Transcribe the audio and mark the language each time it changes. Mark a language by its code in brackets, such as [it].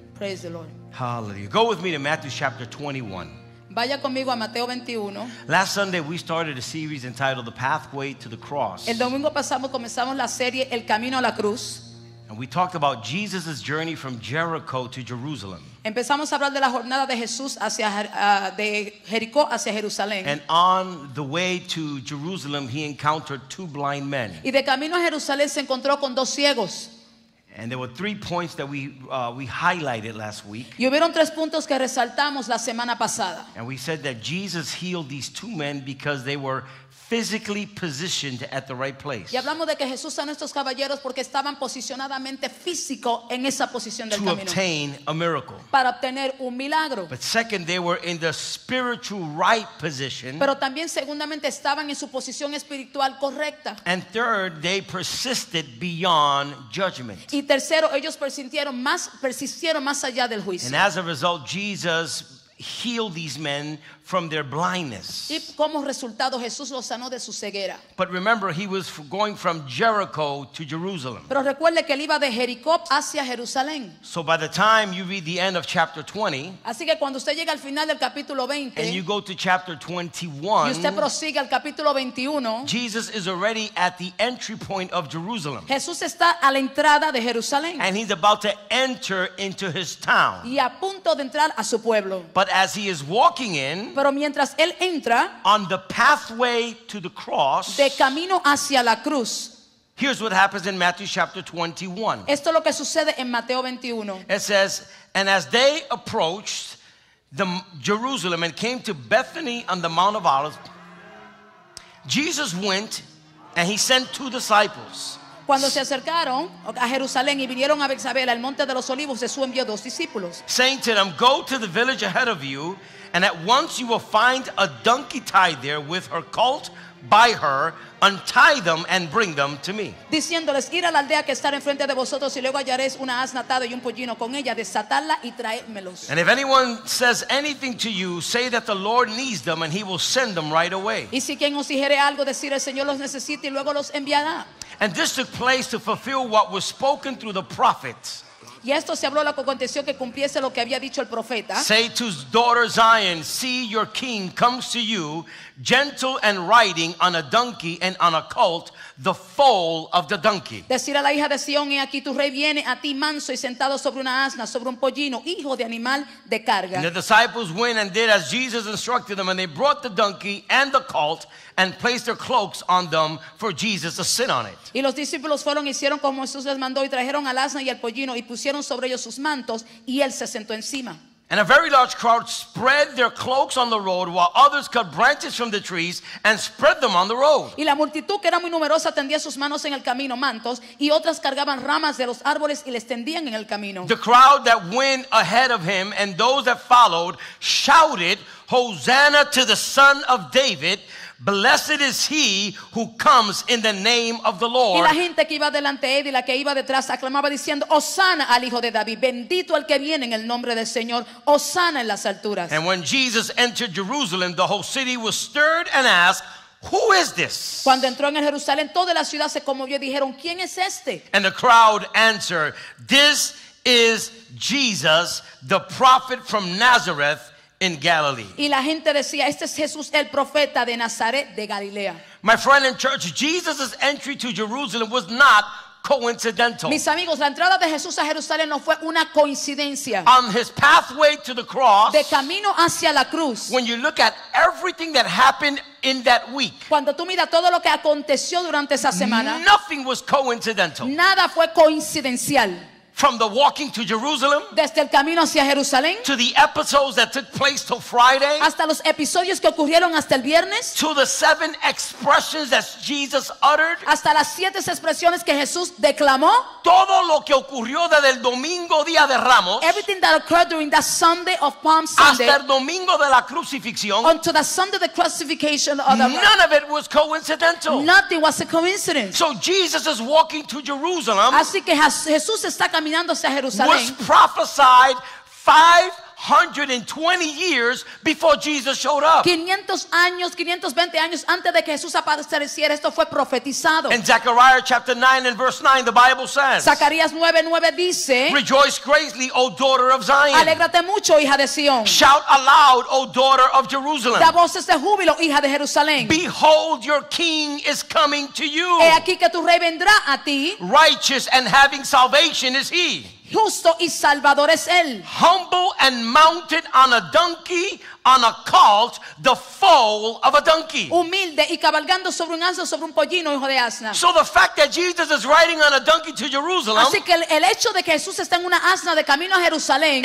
[en] Praise the Lord. Hallelujah. Go with me to Matthew chapter 21. [es] Vaya conmigo a Mateo 21. [en] Last Sunday we started a series entitled The Pathway to the Cross. [es] El domingo pasado comenzamos la serie El Camino a la Cruz. [en] And we talked about Jesus' journey from Jericho to Jerusalem. [es] Empezamos a hablar de la jornada de Jesús hacia de Jericó hacia Jerusalén. [en] And on the way to Jerusalem he encountered two blind men. [es] Y de camino a Jerusalén se encontró con dos ciegos. [en] And there were 3 points that we highlighted last week. [es] Y hubieron 3 puntos que resaltamos la semana pasada. [en] And we said that Jesus healed these 2 men because they were physically positioned at the right place. [es] Y hablamos de que Jesús sanó estos caballeros porque estaban posicionadamente físico en esa posición del camino. [en] To obtain a miracle. [es] Para obtener un milagro. [en] But second, they were in the spiritual right position. [es] Pero también segundamente estaban en su posición espiritual correcta. [en] And third, they persisted beyond judgment. [es] Y tercero, ellos persistieron más allá del juicio. [en] And as a result, Jesus healed these men from their blindness. [es] Y como resultado, Jesús los sanó de su ceguera. [en] But remember, he was going from Jericho to Jerusalem. [es] Pero recuerde que él iba de Jericó hacia Jerusalén. [en] So by the time you read the end of chapter 20, [es] así que cuando usted llega al final del capítulo 20, [en] and you go to chapter 21, [es] y usted prosigue al capítulo 21, [en] Jesus is already at the entry point of Jerusalem. [es] Jesús está a la entrada de Jerusalén. [en] And he's about to enter into his town. [es] Y a punto de entrar a su pueblo. [en] But as he is walking in, [es] pero mientras él entra, [en] on the pathway to the cross, [es] de camino hacia la cruz, [en] here's what happens in Matthew chapter 21. [es] Esto es lo que sucede en Mateo 21. [en] It says, and as they approached the Jerusalem and came to Bethany on the Mount of Olives, Jesus went and he sent 2 disciples. [es] Cuando se acercaron a Jerusalén y vinieron a Betsabé, al Monte de los Olivos, Jesús envió 2 discípulos. [en] Saying to them, go to the village ahead of you, and at once you will find a donkey tied there with her colt by her. Untie them and bring them to me. [es] Diciéndoles, ir a la aldea que está enfrente de vosotros y luego hallaréis una asna atada y un pollino con ella. Desatadla y traédmelos. [en] And if anyone says anything to you, say that the Lord needs them and he will send them right away. [es] Y si quien os dijere algo, decir el Señor los necesita y luego los enviará. [en] And this took place to fulfill what was spoken through the prophet. [es] Y esto se habló lo que aconteció que cumpliese lo que había dicho el profeta. [en] Say to daughter Zion, see your king comes to you, gentle and riding on a donkey and on a colt, the foal of the donkey. [es] Decir a la hija de Sion, he aquí tu rey viene a ti manso y sentado sobre una asna, sobre un pollino, hijo de animal de carga. [en] And the disciples went and did as Jesus instructed them, and they brought the donkey and the colt and placed their cloaks on them for Jesus to sit on it. [es] Y los discípulos fueron y hicieron como Jesús les mandó y trajeron al asna y al pollino y pusieron sobre ellos sus mantos y él se sentó encima. [en] And a very large crowd spread their cloaks on the road, while others cut branches from the trees and spread them on the road. [es] Y la multitud que era muy numerosa tendía sus manos en el camino, mantos, y otras cargaban ramas de los árboles y les tendían en el camino. [en] The crowd that went ahead of him and those that followed shouted, Hosanna to the Son of David. Blessed is he who comes in the name of the Lord. [es] Y la gente que iba delante de él y la que iba detrás aclamaba diciendo, Hosanna al Hijo de David, bendito el que viene en el nombre del Señor, Hosanna en las alturas. [en] And when Jesus entered Jerusalem, the whole city was stirred and asked, who is this? [es] Cuando entró en Jerusalén, toda la ciudad se conmovió y dijeron, ¿quién es este? [en] And the crowd answered, this is Jesus, the prophet from Nazareth in Galilee. [es] Y la gente decía, este es Jesús, el profeta de Nazaret de Galilea. [en] My friend and church, Jesus' entry to Jerusalem was not coincidental. [es] Mis amigos, la entrada de Jesús a Jerusalén no fue una coincidencia. [en] On his pathway to the cross, [es] de camino hacia la cruz, [en] when you look at everything that happened in that week, [es] cuando tú miras todo lo que aconteció durante esa semana, [en] nothing was coincidental. [es] Nada fue coincidencial. [en] From the walking to Jerusalem, [es] desde el camino hacia Jerusalén, [en] to the episodes that took place till Friday, [es] hasta los episodios que ocurrieron hasta el viernes, [en] to the 7 expressions that Jesus uttered, [es] hasta las 7 expresiones que Jesús declamó, todo lo que ocurrió desde el domingo día de Ramos, [en] everything that occurred during that Sunday of Palm Sunday, [es] hasta el domingo de la crucifixión, [en] until the Sunday the crucifixion of the cross, none of it was coincidental. Nothing was a coincidence. So Jesus is walking to Jerusalem. [es] Así que Jesús está caminando hacia Jerusalén. [en] Was prophesied 520 years before Jesus showed up. [es] 520 años antes de que Jesús apareciera, esto fue profetizado. [en] In Zechariah chapter 9 and verse 9, the Bible says, [es] Zacarías 9:9 dice, [en] rejoice greatly, O daughter of Zion. [es] Alégrate mucho, hija de Sion. [en] Shout aloud, O daughter of Jerusalem. [es] Da voces de júbilo, hija de Jerusalén. [en] Behold, your king is coming to you. [es] He aquí que tu rey vendrá a ti. [en] Righteous and having salvation is he. [es] Justo y salvador es él. [en] Humble and mounted on a donkey, on a colt, the foal of a donkey. [es] Humilde y cabalgando sobre un asno, sobre un pollino, hijo de asna. [en] So the fact that Jesus is riding on a donkey to Jerusalem, [es] así que el hecho de que Jesús está en una asna de camino a Jerusalén,